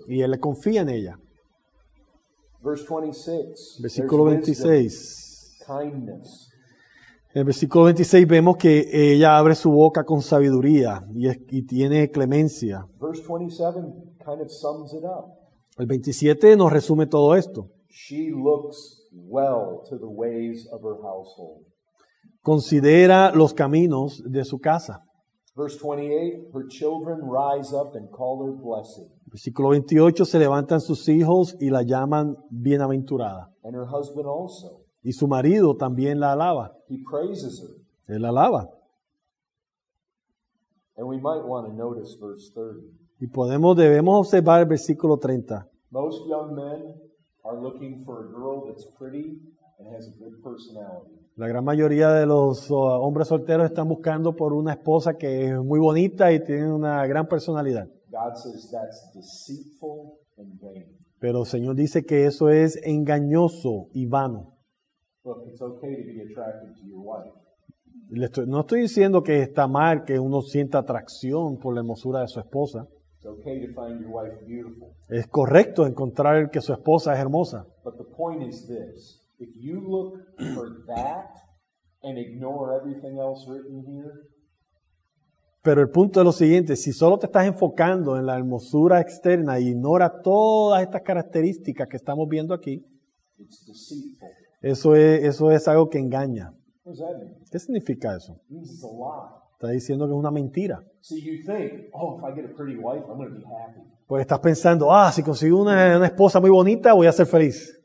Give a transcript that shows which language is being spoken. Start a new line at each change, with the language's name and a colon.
Spanish: Y él le confía en ella.
English: Verse 26.
Spanish: Versículo 26.
English: Wisdom, kindness.
Spanish: En el versículo 26 vemos que ella abre su boca con sabiduría y tiene clemencia.
English: Verse 27 kind of sums it up.
Spanish: El 27 nos resume todo esto.
English: She looks well to the ways of her household.
Spanish: Considera los caminos de su casa.
English: Verse 28, her children rise up and call her blessed.
Spanish: Versículo 28, se levantan sus hijos y la llaman bienaventurada.
English: And her husband also.
Spanish: Y su marido también la alaba.
English: He praises her.
Spanish: Él la alaba.
English: And we might want to notice verse 30.
Spanish: Y debemos observar el versículo 30.
English: Most young men are looking for a girl that's pretty and has a good personality.
Spanish: La gran mayoría de los hombres solteros están buscando por una esposa que es muy bonita y tiene una gran personalidad.
English: God says that's deceitful and vain.
Spanish: Pero el Señor dice que eso es engañoso y vano.
English: Look, it's okay to be attracted to your wife.
Spanish: No estoy diciendo que está mal que uno sienta atracción por la hermosura de su esposa.
English: It's okay to find your wife beautiful.
Spanish: Es correcto encontrar que su esposa es hermosa.
English: But the point is this. If you look for that and ignore everything else written here,
Spanish: pero el punto es lo siguiente, si solo te estás enfocando en la hermosura externa e ignora todas estas características que estamos viendo aquí,
English: it's deceitful.
Spanish: Eso es algo que engaña.
English: What does that mean?
Spanish: ¿Qué significa eso?
English: It's a lie.
Spanish: Está diciendo que es una mentira.
English: So you think, oh, if I get a pretty wife, I'm gonna be happy.
Spanish: Pues estás pensando, ah, si consigo una esposa muy bonita, voy a ser feliz.